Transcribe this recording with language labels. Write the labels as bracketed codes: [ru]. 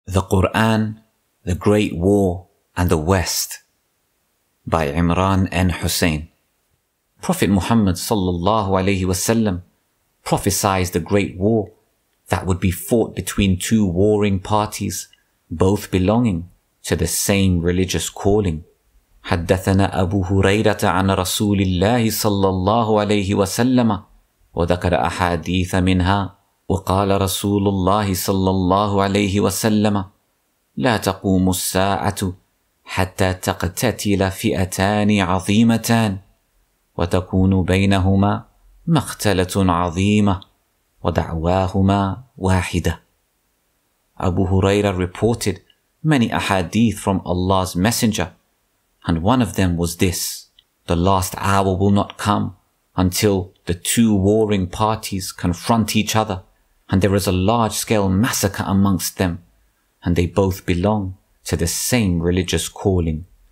[en] The Qur'an, the Great War, and the West by Imran N. Hosein. Prophet Muhammad sallallahu alayhi wasallam prophesied the Great War that would be fought between two warring parties, both belonging to the same religious calling. [ar] حدثنا أبو هريرة عن رسول الله صلى الله عليه وسلم وذكر أحاديث منها وقال رسول الله صلى الله عليه وسلم لا تقوم الساعة حتى تقتتل فئتان عظيمتان وتكون بينهما مقتلة عظيمة ودعواهما واحدة. [en] Abu Huraira reported many ahadith from Allah's messenger, and one of them was this: the last hour will not come until the two warring parties confront each other, and there is a large-scale massacre amongst them, and they both belong to the same religious calling.